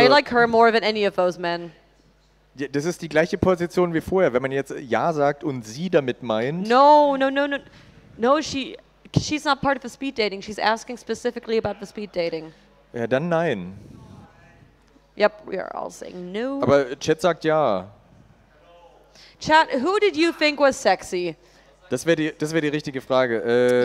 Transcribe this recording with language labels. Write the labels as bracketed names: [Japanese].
[English] I like her more than any of those men. [German] Ja, das ist die gleiche Position wie vorher, wenn man jetzt ja sagt und sie damit meint. [English] No, she's not part of the speed dating. She's asking specifically about the speed dating. [German] Ja, dann nein. [English] Yep, we are all saying no. [German] Aber Chat sagt ja. [English] Chat, who did you think was sexy? [German] Das wär die richtige Frage.